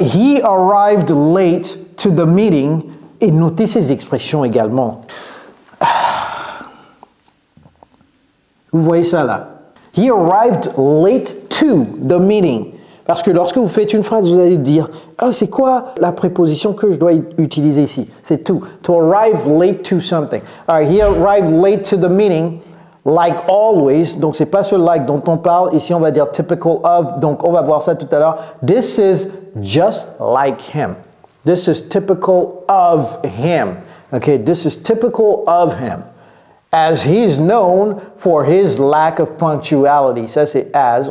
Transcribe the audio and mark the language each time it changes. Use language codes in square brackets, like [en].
[en] He arrived late to the meeting. [fr] Et notez ces expressions également. Vous voyez ça là? [en] He arrived late to the meeting. [fr] Parce que lorsque vous faites une phrase, vous allez dire, ah, c'est quoi la préposition que je dois utiliser ici? C'est tout. [en] To arrive late to something. All right, he arrived late to the meeting, like always. [fr] Donc, ce n'est pas ce like dont on parle. Ici, on va dire typical of. Donc, on va voir ça tout à l'heure. [en] This is just like him. This is typical of him. Okay, this is typical of him. As he's known for his lack of punctuality. [fr] Ça, c'est as.